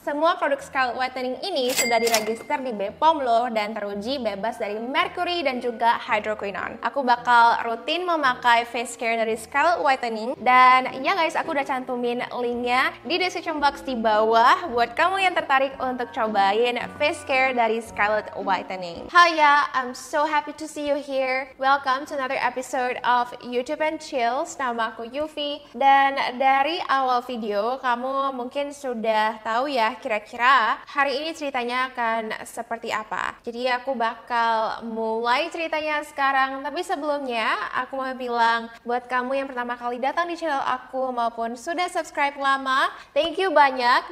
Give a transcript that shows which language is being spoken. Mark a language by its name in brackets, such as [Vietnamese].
[Indonesian] Semua produk Scarlet Whitening ini sudah diregister di BPOM loh dan teruji bebas dari merkuri dan juga hydroquinone. Aku bakal rutin memakai face care dari Scarlet Whitening dan ya guys, aku udah cantumin linknya di description box di bawah buat kamu yang tertarik untuk cobain face care dari Scarlet Whitening. [English] Hell yeah, I'm so happy to see you here. Welcome to another episode of YouTube and Chills. [Indonesian] Nama aku Yufi. Dan dari awal video, kamu mungkin sudah tahu ya kira-kira hari ini ceritanya akan seperti apa. Jadi aku bakal mulai ceritanya sekarang. Tapi sebelumnya, aku mau bilang buat kamu yang pertama kali datang di channel aku maupun sudah subscribe lama, [English] thank you [Indonesian] banyak.